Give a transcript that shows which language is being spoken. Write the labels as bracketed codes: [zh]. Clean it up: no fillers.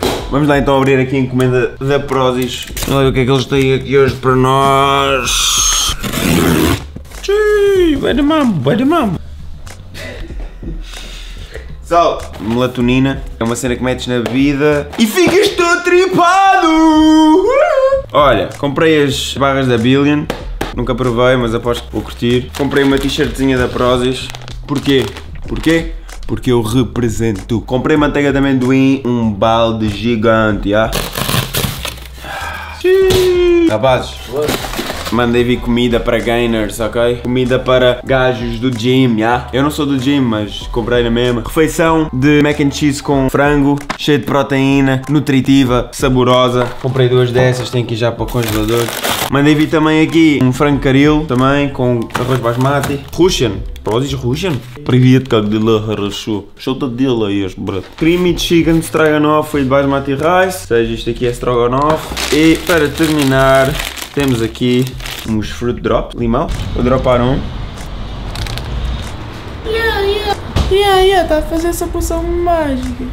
[pt] Vamos lá então abrir aqui a encomenda da Prozis. Olha o que é que eles têm aqui hoje para nós. Vai de mambo, vai de mambo. Sal, melatonina. É uma cena que metes na bebida e ficas todo tripado. Olha, comprei as barras da Billion. Nunca provei, mas aposto que vou curtir. Comprei uma t-shirtzinha da Prozis. Porquê? Porquê? Porque eu represento. Comprei manteiga de amendoim, um balde gigante, já? Yeah? Rapazes, mandei vir comida para gainers, ok? Comida para gajos do gym, já? Yeah? Eu não sou do gym, mas comprei na mesma. Refeição de mac and cheese com frango, cheio de proteína, nutritiva, saborosa. Comprei duas dessas, tenho que ir já para o congelador. Mandei vir também aqui um frango caril, também, com arroz basmati. [en] Russian. Prozis Russian? [ru] Привет, как дела, хорошо? Что ты делаешь, брат? [en] Creamy chicken stroganoff with basmati rice. [pt] Ou seja, isto aqui é stroganoff. E para terminar, temos aqui uns fruit drops, limão. Vou dropar um. Yeah, tá a fazer essa poção mágica.